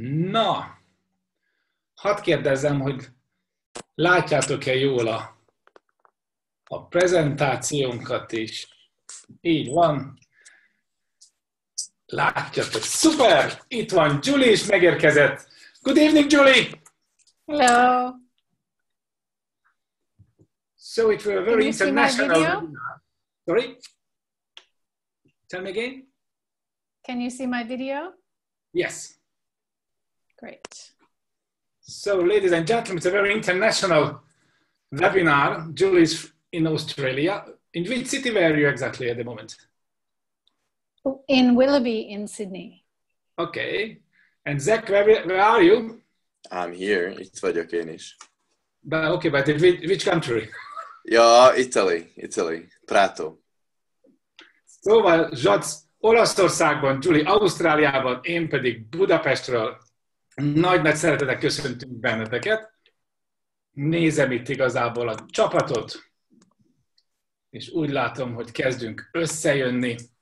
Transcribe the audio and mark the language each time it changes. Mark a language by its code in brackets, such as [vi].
[hu] Na, hadd kérdezzem, hogy látjátok-e jól a prezentációnkat is. Így van. Látjátok. Szuper! Itt van Julie is megérkezett. [en] Good evening, Julie! Hello! So it was a very international webinar. Sorry? Tell me again. Can you see my video? Yes. Great. So, ladies and gentlemen, it's a very international webinar. Julie's in Australia. In which city were you exactly at the moment? In Willoughby, in Sydney. Okay. And Zach, where are you? I'm here. [hu] Itt vagyok én is. [en] But, okay, but in which country? Yeah, Italy. Italy. Prato. [hu] So, well, Zsac Olaszországban, Julie Ausztráliában, én pedig Budapestről. Nagy-nagy szeretetek, köszöntünk benneteket. Nézem itt igazából a csapatot, és úgy látom, hogy kezdünk összejönni.